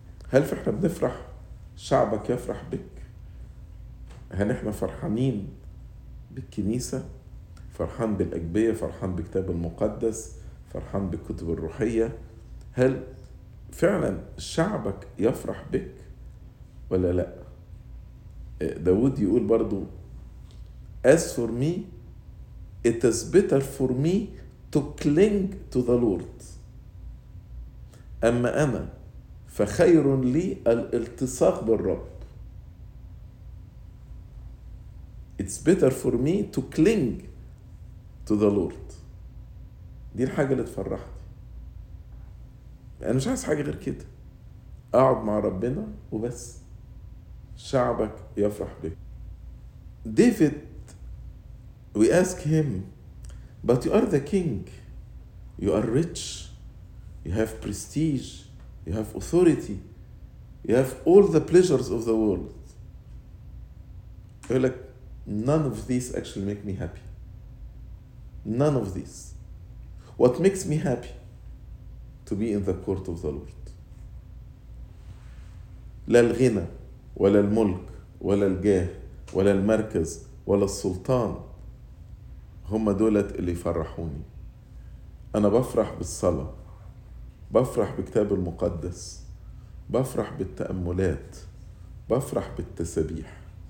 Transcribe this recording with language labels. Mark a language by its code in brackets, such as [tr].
[ar] هل فإحنا بنفرح شعبك يفرح بك؟ هل إحنا فرحانين بالكنيسة؟ فرحان بالأجبية؟ فرحان بكتاب المقدس؟ فرحان بالكتب الروحية؟ هل فعلا شعبك يفرح بك؟ ولا لا؟ داود يقول برضو [en] As for me it is better for me to cling to the Lord. [ar] أما أنا فخير لي الالتصاق بالرب. [en] It's better for me to cling to the Lord. [ar] دي الحاجة اللي تفرحني. أنا مش عايز حاجة غير كده. أقعد مع ربنا وبس. شعبك يفرح بك. [en] David, we ask him, but you are the king. You are rich. You have prestige. You have authority. You have all the pleasures of the world. You're like, none of these actually make me happy. None of these. What makes me happy? To be in the court of the Lord. [ar] لا الغنى ولا الملك ولا الجاه ولا المركز ولا السلطان هما دولت اللي يفرحوني. أنا بفرح بالصلاة، بفرح بكتاب المقدس، بفرح بالتأملات، بفرح بالتسبيح.